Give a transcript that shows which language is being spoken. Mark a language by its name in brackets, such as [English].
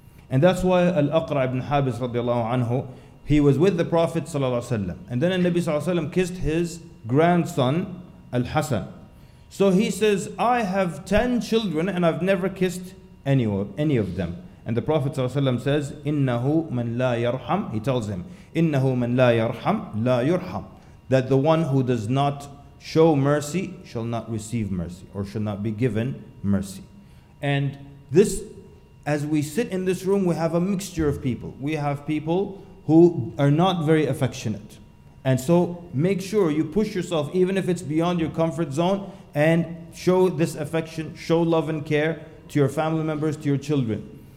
[English] And that's why Al-Aqra ibn Habis radiallahu anhu, he was with the Prophet ﷺ. And then the Nabi ﷺ kissed his grandson, Al-Hasan. So he says, I have 10 children and I've never kissed any of them. And the Prophet ﷺ says, [Arabic] إِنَّهُ مَنْ لَا يَرْحَمْ. [English] He tells him, [Arabic] إِنَّهُ مَنْ لَا يَرْحَمْ لَا يُرْحَمْ. [English] That the one who does not show mercy shall not receive mercy, or shall not be given mercy. And this, as we sit in this room, we have a mixture of people. We have people who are not very affectionate. And so make sure you push yourself, even if it's beyond your comfort zone, and show this affection, show love and care to your family members, to your children.